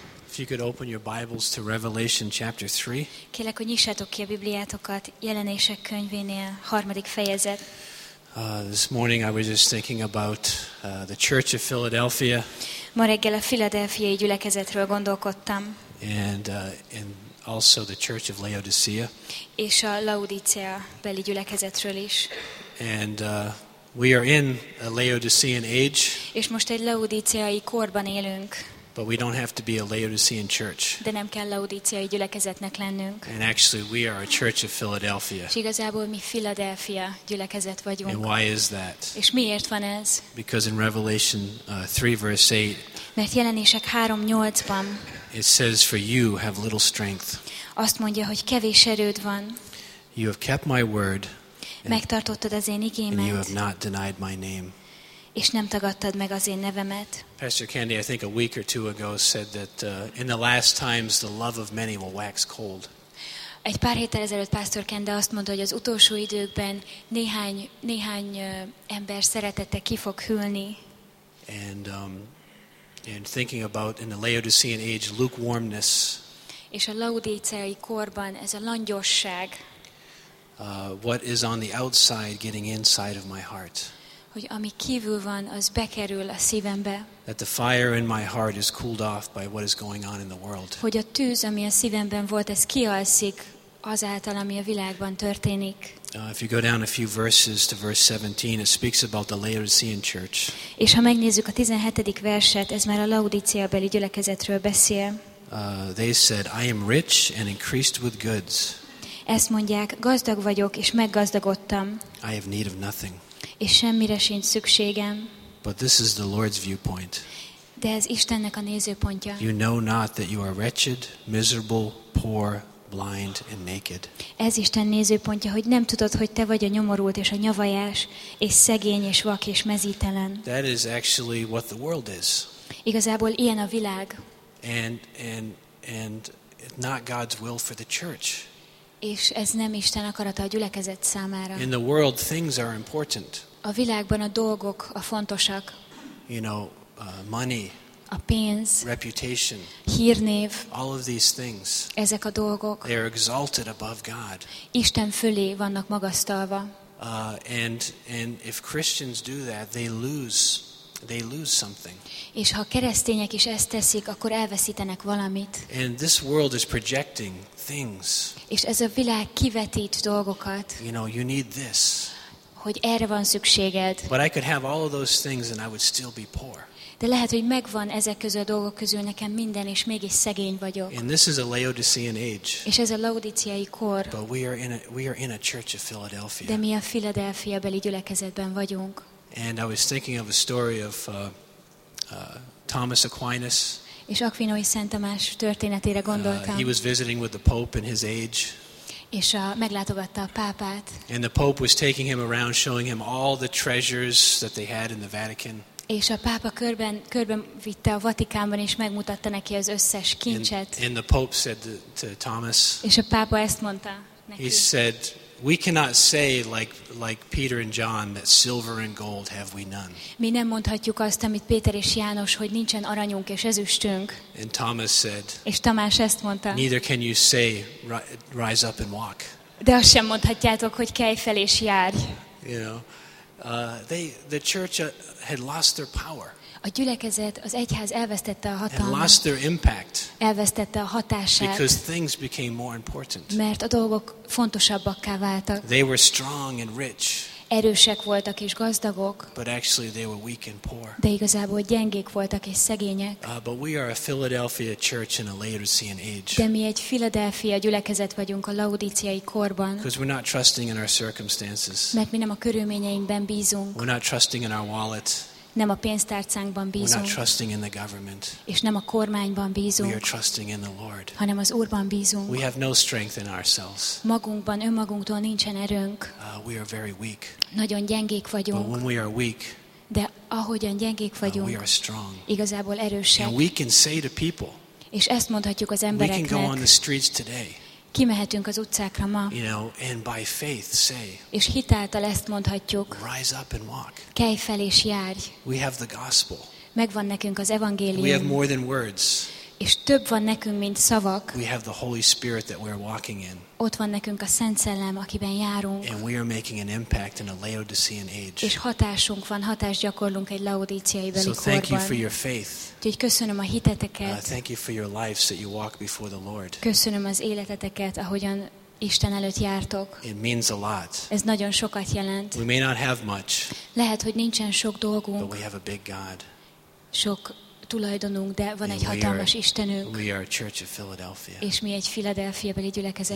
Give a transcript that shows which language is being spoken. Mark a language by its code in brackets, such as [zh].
[en] If you could open your Bibles to Revelation chapter 3. [hu] Kérlek, hogy nyissátok ki a Bibliátokat Jelenések könyvénél, harmadik fejezet. [en] This morning I was just thinking about the Church of Philadelphia. [hu] Ma reggel a Philadelphiai gyülekezetről gondolkodtam. [en] And also the Church of Laodicea. [hu] És a Laodicea beli gyülekezetről is. [en] And we are in a Laodicean age. [hu] És most egy laodiceai korban élünk. [en] But we don't have to be a Laodicean church. [hu] De nem kell laodiceai gyülekezetnek lennünk. [en] And actually we are a church of Philadelphia. [hu] És igazából mi Philadelphia gyülekezet vagyunk. [en] And why is that? [hu] És miért van ez? [en] Because in Revelation 3 verse 8. [hu] Mert Jelenések 3:8-ban. [en] It says for you have little strength. [hu] Azt mondja, hogy kevés erőd van. [en] You have kept my word. [hu] Megtartottad az én igémet. [en] And you have not denied my name. [hu] És nem tagadtad meg az én nevemet. [en] Pastor Candy, I think a week or two ago said that in the last times the love of many will wax cold. [hu] Egy pár héttel ezelőtt Pastor Candy azt mondta, hogy az utolsó időkben néhány ember szeretete ki fog hűlni. [en] And thinking about in the Laodicean age lukewarmness. [hu] És a laodiceai korban ez a langyosság. [en] What is on the outside getting inside of my heart? [hu] Hogy ami kívül van, az bekerül a szívembe. [en] That the fire in my heart is cooled off by what is going on in the world. [hu] Hogy a tűz, ami a szívemben volt, ez kialszik azáltal, ami a világban történik. [en] If you go down a few verses to verse 17, it speaks about the Laodicean church. [hu] És ha megnézzük a 17. verset, ez már a Laodicea beli gyülekezetről beszél. [en] They said, I am rich and increased with goods. [hu] Ezt mondják, gazdag vagyok és meggazdagodtam. [en] I have need of nothing. [hu] És semmire sincs szükségem. [en] But this is the Lord's viewpoint. [hu] De ez Istennek a nézőpontja. [en] You know not that you are wretched, miserable, poor, blind and naked. [hu] Ez Isten nézőpontja, hogy nem tudod, hogy te vagy a nyomorult és a nyavajás, és szegény és vak és mezítelen. [en] That is actually what the world is. [hu] Igazából ilyen a világ. [en] And it's not God's will for the church. [hu] És ez nem Isten akarata a gyülekezet számára. [en] In the world, things are important. [hu] A világban a dolgok a fontosak. [en] You know, money. [hu] A pénz. [en] Reputation. [hu] Hírnév. [en] All of these things. [hu] Ezek a dolgok. [en] They are exalted above God. [hu] Isten fölé vannak magasztalva. [en] And if Christians do that, they lose something. [hu] És ha keresztények is ezt teszik, akkor elveszítenek valamit. [en] And this world is projecting things. [hu] És ez a világ kivetít dolgokat. [en] You know, you need this. [hu] Hogy erre van szükséged. [en] But I could have all of those things and I would still be poor. [hu] De lehet, hogy megvan ezek közül a dolgok közül nekem minden, és mégis szegény vagyok. [en] And this is a Laodicean age. [hu] És ez a laodiceai kor. [en] But we are in a church of Philadelphia. [hu] De mi a Philadelphia beli gyülekezetben vagyunk. [en] And I was thinking of a story of Thomas Aquinas. [hu] És Aquinoi Szent Tamás történetére gondoltam. [en] He was visiting with the Pope in his age. [hu] És meglátogatta a pápát. [en] And the Pope was taking him around, showing him all the treasures that they had in the Vatican. [hu] És a pápa körben vitte a Vatikánban, és megmutatta neki az összes kincset. [en] And the Pope said to Thomas. [hu] És a pápa ezt mondta neki. [en] He said, we cannot say like Peter and John that silver and gold have we none. [hu] Mi nem mondhatjuk azt, amit Péter és János, hogy nincsen aranyunk és ezüstünk. [en] And Thomas said. [hu] És Tamás ezt mondta. [en] Neither can you say rise up and walk. [hu] De azt sem mondhatjátok, hogy kelj fel és járj. [en] You know, the church had lost their power. [hu] A gyülekezet, az egyház elvesztette a hatalmat. [en] And lost their impact. [hu] Elvesztette a hatását. [en] Because things became more important. [hu] Mert a dolgok fontosabbakká váltak. [en] They were strong and rich. [hu] Erősek voltak és gazdagok. [en] But actually they were weak and poor. [hu] De igazából gyengék voltak és szegények. [en] But we are a Philadelphia church in a Laodicean age. [hu] De mi egy Philadelphia gyülekezet vagyunk a laodiceai korban. [en] Because we're not trusting in our circumstances. [hu] Mert mi nem a körülményeinkben bízunk. [en] We're not trusting in our wallet. [hu] Nem a pénztárcánkban bízunk. [en] We're not trusting in the government. [hu] És nem a kormányban bízunk. [en] We are trusting in the Lord. [hu] Hanem az Úrban bízunk. [en] We have no strength in ourselves. [hu] Magunkban, önmagunktól nincsen erőnk. [en] We are very weak. [hu] Nagyon gyengék vagyunk. [en] But when we are weak, [hu] de ahogyan gyengék vagyunk, [en] we are strong. [hu] Igazából erősek. [en] And we can say to people, [hu] és ezt mondhatjuk az embereknek, [en] we can go on the streets today, [hu] kimehetünk az utcákra ma, [en] you know, and by faith say, [hu] és hitáltal ezt mondhatjuk, [en] rise up and walk. [hu] Kelj fel és járj. [en] We have the gospel. [hu] megvan nekünk az evangélium. [en] We have more than words. [hu] És több van nekünk, mint szavak. [en] We have the Holy Spirit that we're walking in. [hu] Ott van nekünk a Szent Szellem, akiben járunk. [en] And we are making an impact in a Laodicean age. [hu] És hatásunk van, hatást gyakorlunk egy laodíciai beli korban. [en] So thank you for your faith. [hu] Úgyhogy köszönöm a hiteteket. [en] Thank you for your lives that you walk before the Lord. [hu] Köszönöm az életeteket, ahogyan Isten előtt jártok. [en] It means a lot. [hu] Ez nagyon sokat jelent. [en] We may not have much. [hu] Lehet, hogy nincsen sok dolgunk. [en] But we have a big God. [hu] Sok tulajdonunk, de van [en] and [hu] egy hatalmas Istenünk. [en] We are a church of Philadelphia. [hu] És mi egy Philadelphia-beli gyülekezet